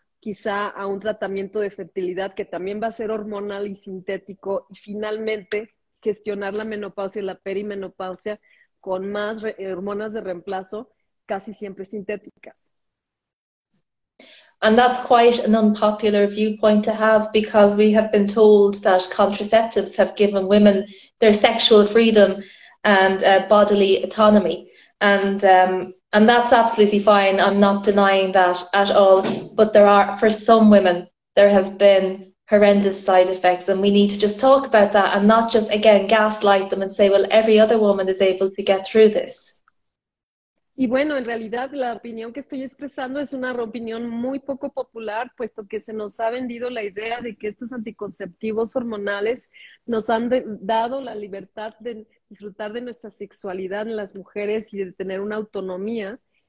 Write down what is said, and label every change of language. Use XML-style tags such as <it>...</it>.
<es>Quizá a un tratamiento de fertilidad que también va a ser hormonal y sintético, y finalmente gestionar la menopausia y la perimenopausia con más hormonas de reemplazo, casi siempre sintéticas.</es> <en>And that's quite an unpopular viewpoint to have because we have been told that contraceptives have given women their sexual freedom and bodily autonomy. And that's absolutely fine. I'm not denying that at all. But there are, for some women, there have been horrendous side effects. And we need to just talk about that and not just, again, gaslight them and say, well, every other woman is able to get through this.</en> <es>Y bueno, en realidad la opinión que estoy expresando es una opinión muy poco popular, puesto que se nos ha vendido la idea de que estos anticonceptivos hormonales nos han dado la libertad de disfrutar de nuestra sexualidad en las mujeres y de tener una autonomía.</es>